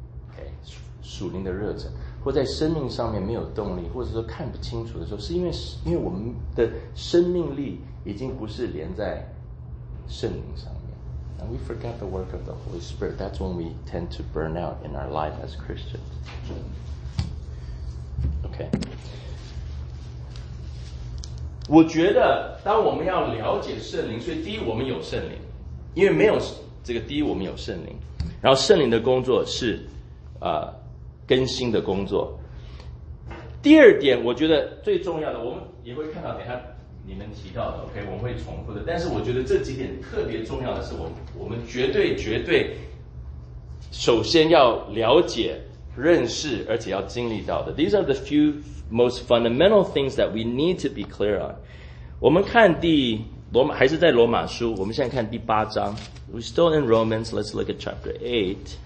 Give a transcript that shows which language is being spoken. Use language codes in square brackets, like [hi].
[zh] Okay, 属灵的热忱，或在生命上面没有动力，或者说看不清楚的时候，是因为我们的生命力已经不是连在圣灵上面。 [en] And we forget the work of the Holy Spirit. That's when we tend to burn out in our life as Christians. Okay. [zh] 我觉得当我们要了解圣灵，所以第一我们有圣灵，因为没有这个，第一我们有圣灵，然后圣灵的工作是更新的工作。第二点我觉得最重要的，我们也会看到等一下你们提到的 ，OK， 我们会重复的。但是我觉得这几点特别重要的是我们绝对，首先要了解、认识，而且要经历到的。 [en] These are the few most fundamental things that we need to be clear on. [zh] 我们看第罗马，还是在罗马书，我们现在看第八章。 [en] We're still in Romans. Let's look at chapter 8.